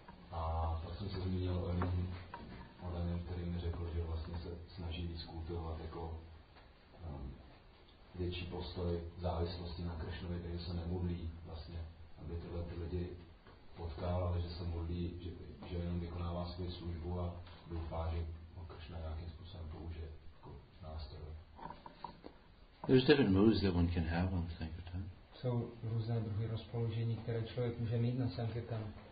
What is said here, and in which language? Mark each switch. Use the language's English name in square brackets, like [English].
[Czech] A pak jsem se zmínil o jednom modlení, který mi řekl, že vlastně se snaží víc kultivovat jako větší postoj závislosti na Kršnovi, takže se nemodlí vlastně, aby tyhle ty lidi potkal, ale že se modlí, že jenom vykonává svou službu a doufá, že ho Kršna nějakým způsobem použije jako nástroj. [English] There's different moods that one can have on Sankirtan. [Czech] Jsou různé druhy rozpoložení, které člověk může mít na Sankirtan.